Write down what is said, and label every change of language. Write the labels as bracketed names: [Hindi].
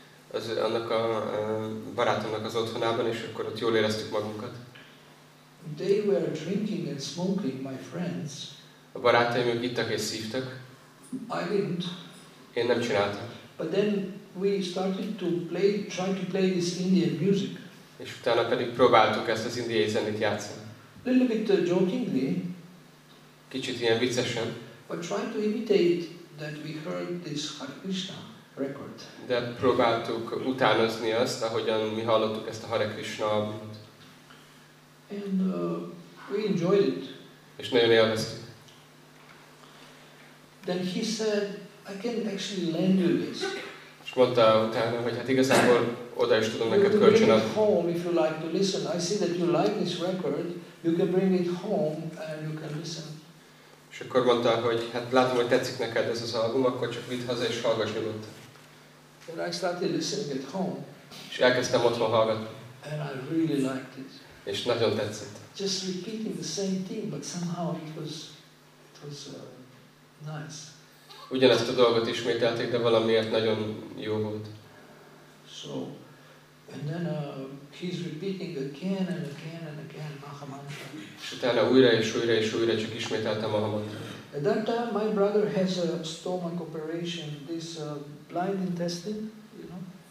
[Hungarian] Az annak a barátomnak az otthonában, és akkor ott jól éreztük magunkat. [English] They were drinking and smoking, my friends. [Hungarian] A barátaim ők ittak és szívtak. [English] I didn't. [Hungarian] Én nem csináltam. [English] But then we started to play, trying to play this Indian music. [Hungarian] És utána pedig próbáltuk ezt az indiai zenét játszani. [English] A little bit jokingly. [Hungarian] Kicsit ilyen viccesen. [English] But trying to imitate that we heard this Hare Krishna record. [Hungarian] De próbáltuk utánozni azt, ahogyan mi hallottuk ezt a Hare Krishna albumot. [English] And we enjoyed it. [Hungarian] És nagyon élveztük. [English] Then he said, I can actually lend you this. [Hungarian] És mondta utána, hogy hát igazából oda is tudom neked kölcsönadni. [English] You can bring it home if you like to listen. I see that you like this record. You can bring it home and you can listen. [Hungarian] És akkor mondta, hogy hát látom, hogy tetszik neked ez az album, akkor csak vidd haza és hallgass előtt. [English] And I started listening at home. [Hungarian] És elkezdtem otthon hallgatni. [English] And I really liked it. [Hungarian] És nagyon tetszett. [English] Just repeating the same thing, but somehow it was nice. [Hungarian] Ugyanezt a dolgot ismételték, de valamiért nagyon jó volt. [English] So, and then he's repeating again and again and again Maha Mantra. [Hungarian] És utána újra és újra és újra csak ismételte Maha Mantra. [English] At that time my brother has a stomach operation, this blind intestine, you know?